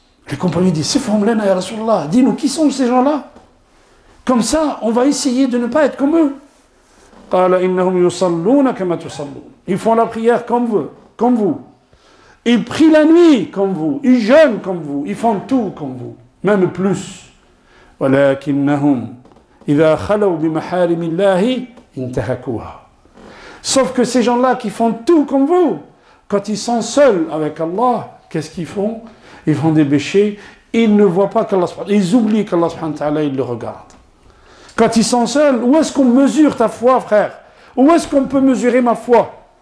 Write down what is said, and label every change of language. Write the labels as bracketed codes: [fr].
[fr] Les compagnons disent, c'est formelena ya Rasulallah, dis-nous, qui sont ces gens-là? Comme ça, on va essayer de ne pas être comme eux. [ar] Qala innahum yusalluna kama tusallun. [fr] Ils font la prière comme vous. Ils prient la nuit comme vous. Ils jeûnent comme vous. Ils font tout comme vous. Même plus. Walakinnahum. [ar] إذا خلو بمحارم الله انتهكوها. [fr] Sauf que ces gens-là qui font tout comme vous, quand ils sont seuls avec Allah, qu'est-ce qu'ils font? Ils font des péchés, ils ne voient pas qu'Allah subhanahu wa ta'ala, ils oublient qu'Allah subhanahu wa ta'ala, ils le regardent. Quand ils sont seuls, où est-ce qu'on mesure ta foi, frère? Où est-ce qu'on peut mesurer ma foi?